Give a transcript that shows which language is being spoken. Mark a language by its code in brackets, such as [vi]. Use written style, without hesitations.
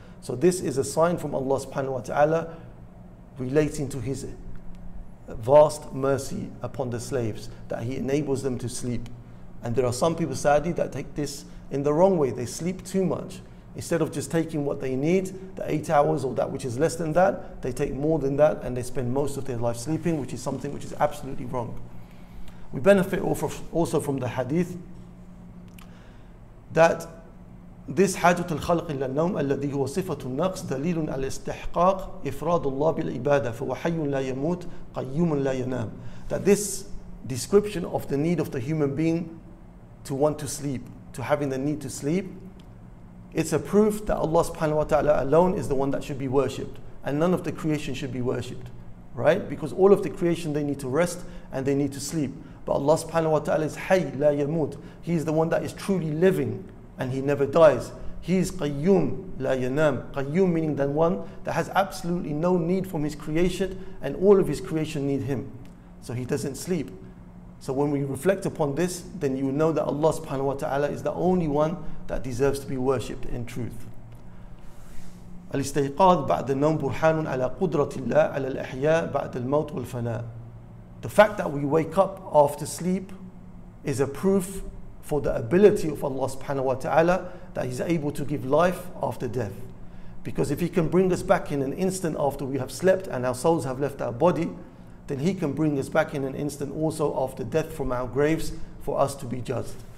[en] So this is a sign from Allah subhanahu wa ta'ala relating to his vast mercy upon the slaves, that he enables them to sleep. And there are some people, sadly, that take this in the wrong way. They sleep too much. Instead of just taking what they need, the 8 hours or that which is less than that, they take more than that and they spend most of their life sleeping, which is something which is absolutely wrong. We benefit also from the hadith that this [ar] حَاجُّةُ الْخَلْقِ إِلَّا النَّوْمِ الَّذِي هُوَ صِفَةُ النَّقْصِ دَلِيلٌ عَلَى إِسْتِحْقَاقِ إِفْرَادُ اللَّهِ بِالْعِبَادَةِ فَهُوَ حَيٌّ لَا يَمُوتُ قَيُّمٌ لَا يَنَامُ. [en] That this description of the need of the human being to want to sleep, to having the need to sleep, it's a proof that Allah subhanahu wa ta'ala alone is the one that should be worshipped, and none of the creation should be worshipped, right? Because all of the creation, they need to rest and they need to sleep. But Allah subhanahu wa ta'ala is hay, la yamut. He is the one that is truly living and he never dies. He is qayyum, la yanam. Qayyum meaning the one that has absolutely no need from his creation, and all of his creation need him. So he doesn't sleep. So when we reflect upon this, then you know that Allah subhanahu wa ta'ala is the only one that deserves to be worshipped in truth. [ar] الاستيقاظ بعد النوم برهان على قدرة الله على الإحياء بعد الموت والفناء. [en] The fact that we wake up after sleep is a proof for the ability of Allah subhanahu wa ta'ala that He's able to give life after death. Because if He can bring us back in an instant after we have slept and our souls have left our body, then He can bring us back in an instant also after death from our graves for us to be judged.